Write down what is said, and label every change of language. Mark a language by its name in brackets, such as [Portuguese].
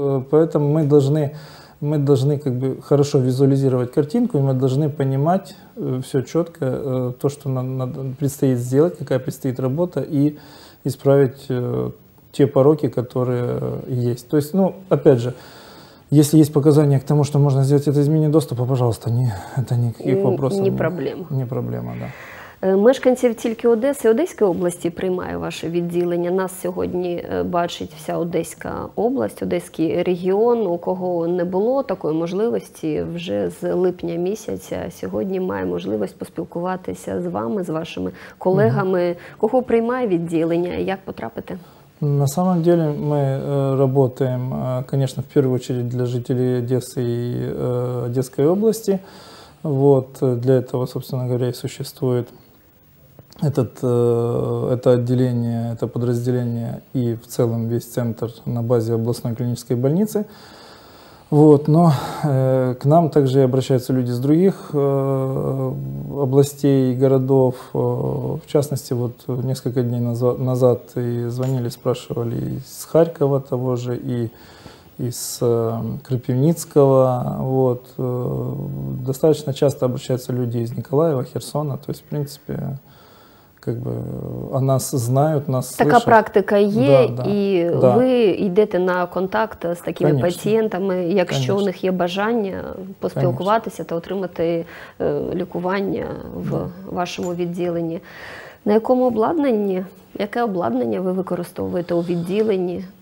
[Russian] Поэтому мы должны как бы хорошо визуализировать картинку, и мы должны понимать все четко, то, что нам предстоит сделать, какая предстоит работа, и исправить те пороки, которые есть. То есть, ну, опять же, если есть показания к тому, что можно сделать это из мини-доступа, пожалуйста, это никаких вопросов. Не проблема. Не проблема, да. [Ukrainian] Мешканців тільки Одеси, Одеської області приймає ваше відділення. Нас сьогодні бачить вся Одеська область, Одеський регіон. У кого не було такої можливості, вже з липня місяця сьогодні має можливість поспілкуватися з вами, з вашими колегами. Угу. Кого приймає відділення, як потрапити? [Russian] На самом деле [Ukrainian] ми работаємо, [Russian] конечно, [Ukrainian] в першу чергу для жителів Одеси і Одеської області. [Russian] Вот, для этого, собственно говоря, и существует это отделение, это подразделение и в целом весь центр на базе областной клинической больницы. Вот, но к нам также обращаются люди с других областей и городов. В частности, вот несколько дней назад и звонили, спрашивали из Харькова того же и из Кропивницкого. Вот. Достаточно часто обращаются люди из Николаева, Херсона. То есть, в принципе, как бы о нас знают, нас [Ukrainian] слышат. Така практика є, да. Ви йдете на контакт з такими [Russian] Конечно. [Ukrainian] Пацієнтами, якщо Конечно. У них є бажання поспілкуватися Конечно. Та отримати лікування в да. вашому відділенні. На якому обладнанні? Яке обладнання ви використовуєте у відділенні?